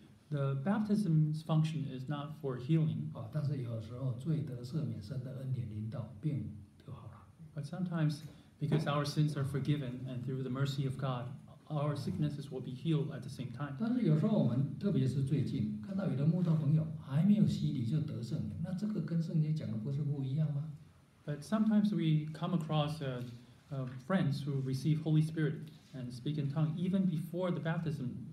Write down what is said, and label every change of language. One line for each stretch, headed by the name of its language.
English: The baptism's function is not for healing. But sometimes, because our sins are forgiven and through the mercy of God, our sicknesses will be healed at the same time.
Chinese: 但是有时候我们，特别是最近，看到有的慕道朋友还没有洗礼就得圣灵，那这个跟圣经讲的不是不一样吗？
English: But sometimes we come across friends who receive Holy Spirit and speak in tongue even before the baptism.